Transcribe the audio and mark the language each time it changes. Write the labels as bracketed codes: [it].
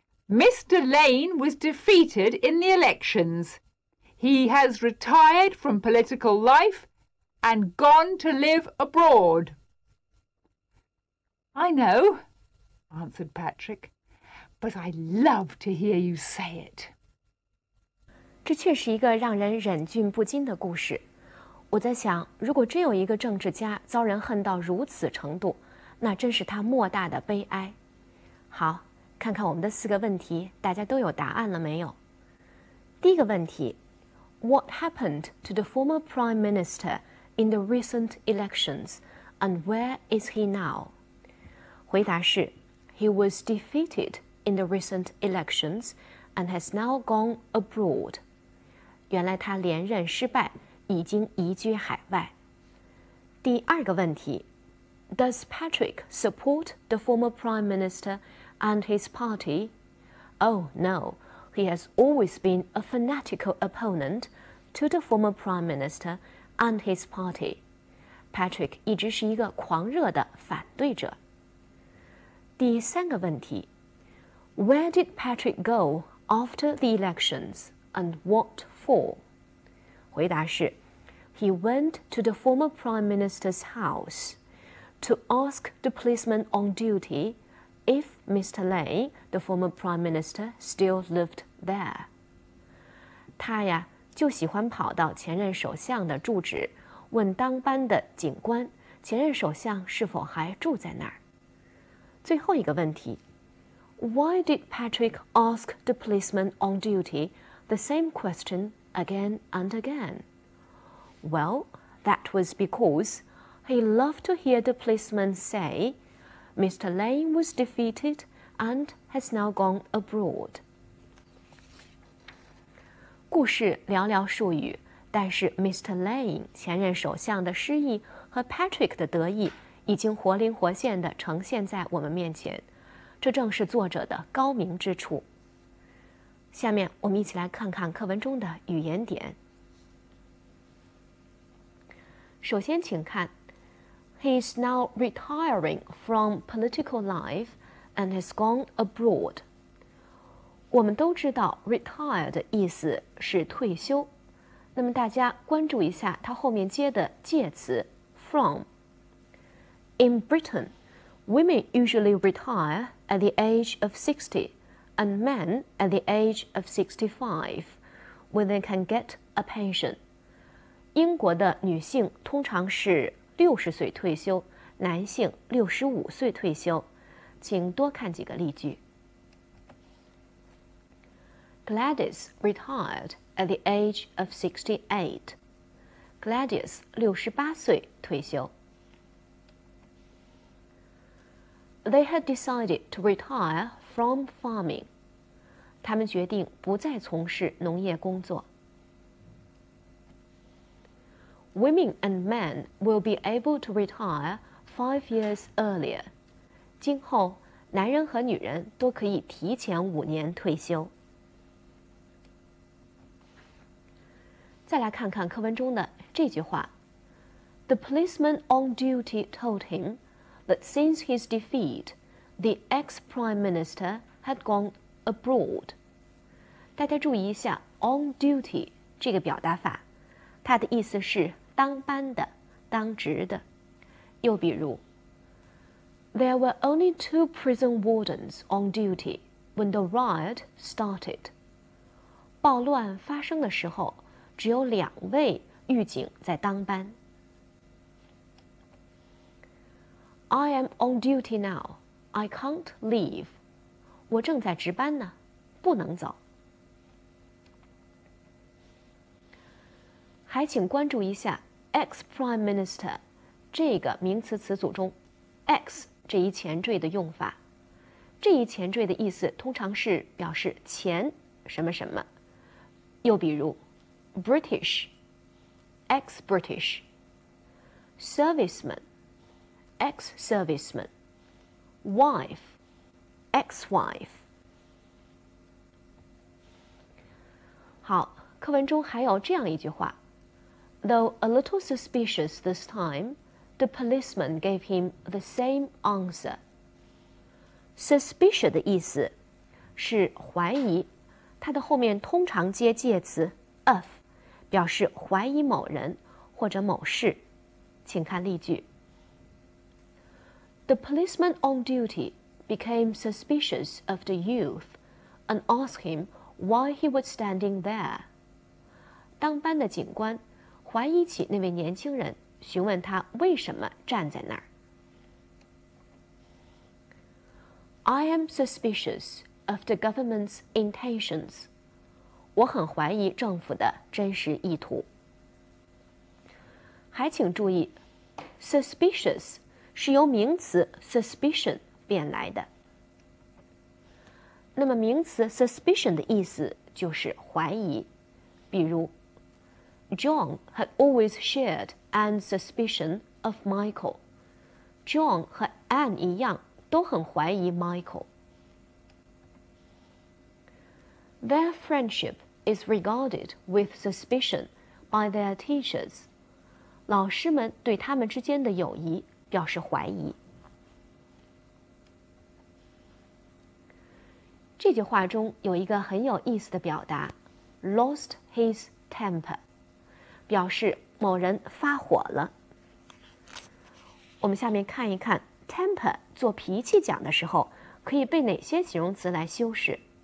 [en] Mr. Lane was defeated in the elections. He has retired from political life and gone to live abroad. I know, answered Patrick, but I love to hear you say it. [zh] 这确实一个让人忍俊不禁的故事。我在想，如果真有一个政治家遭人恨到如此程度，那真是他莫大的悲哀。好，看看我们的四个问题，大家都有答案了没有？第一个问题 [en] ，What happened to the former prime minister in the recent elections, and where is he now? [zh] 回答是 [en] ,He was defeated in the recent elections and has now gone abroad. [zh] 原来他连任失败已经移居海外。第二个问题 [en] ,Does Patrick support the former prime minister and his party? Oh no, he has always been a fanatical opponent to the former prime minister and his party. [zh] Patrick 一直是一个狂热的反对者。第三个问题 [en] ,Where did Patrick go after the elections and what for? [zh] 回答是 [en] He went to the former prime minister's house to ask the policeman on duty if Mr. Lei, the former prime minister, still lived there. [zh] 他呀就喜欢跑到前任首相的住址问当班的警官前任首相是否还住在那儿。最后一个问题 [en] Why did Patrick ask the policeman on duty the same question again and again? Well, that was because he loved to hear the policeman say Mr. Lei was defeated and has now gone abroad. [zh] 故事寥寥数语但是 Mr. Lei 前任首相的失意和 Patrick 的得意已经活灵活现地呈现在我们面前，这正是作者的高明之处。下面我们一起来看看课文中的语言点。首先请看 [en] He is now retiring from political life and has gone abroad. [zh] 我们都知道 retire 的意思是退休，那么大家关注一下它后面接的介词 from。 [en] In Britain, women usually retire at the age of 60 and men at the age of 65 when they can get a pension. [zh] 英国的女性通常是60岁退休，男性65岁退休。请多看几个例句。 [en] Gladys retired at the age of 68. [zh] Gladys 68岁退休。 [en] They had decided to retire from farming. [zh] 他们决定不再从事农业工作。 [en] Women and men will be able to retire 5 years earlier. [zh] 今后男人和女人都可以提前5年退休。再来看看课文中的这句话。 [en] The policeman on duty told him,that since his defeat, the ex-prime minister had gone abroad. [zh] 大家注意一下 on duty 这个表达法，它的意思是当班的、当职的。又比如 [en] There were only 2 prison wardens on duty when the riot started. [zh] 暴乱发生的时候，只有两位狱警在当班。 [en] I am on duty now. I can't leave. [zh] 我正在值班呢，不能走。还请关注一下 ex-prime minister 这个名词词组中 ex 这一前缀的用法。这一前缀的意思通常是表示前什么什么。又比如 [en] British, ex-British, servicemanex-serviceman, wife, ex-wife. [zh] 好，课文中还有这样一句话。 [en] Though a little suspicious this time, the policeman gave him the same answer. [zh] Suspicious 的意思是怀疑，它的后面通常接介词 of, 表示怀疑某人或者某事。请看例句。 [en] The policeman on duty became suspicious of the youth and asked him why he was standing there. [zh] 当班的警官怀疑起那位年轻人，询问他为什么站在那儿。 [en] I am suspicious of the government's intentions. [zh] 我很怀疑政府的真实意图。还请注意 suspicious是由名词 suspicion 变来的。那么名词 suspicion 的意思就是怀疑。 [en] 比如 John had always shared Anne's suspicion of Michael. [zh] John 和 Anne 一样都很怀疑 Michael. [en] Their friendship is regarded with suspicion by their teachers. [zh] 老师们对他们之间的友谊表示怀疑。这句话中有一个很有意思的表达 [en] lost his temper [zh] 表示某人发火了。我们下面看一看 temper 做脾气讲的时候可以被哪些形容词来修饰。